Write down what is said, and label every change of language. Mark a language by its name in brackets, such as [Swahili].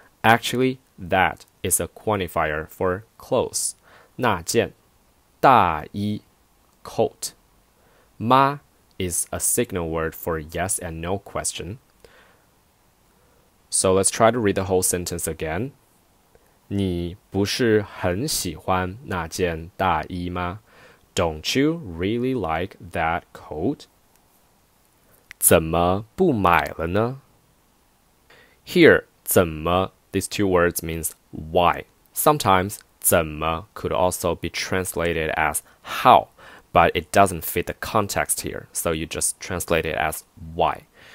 [English] Actually, that is a quantifier for clothes. [Chinese] 那件大衣 [English] coat. Ma is a signal word for yes and no question. So let's try to read the whole sentence again. [Chinese] 你不是很喜欢那件大衣吗? [English] Don't you really like that coat? [Chinese] 怎么不买了呢? [English] Here, 怎么, these two words means why. Sometimes, 怎么 could also be translated as how, but it doesn't fit the context here, so you just translate it as why.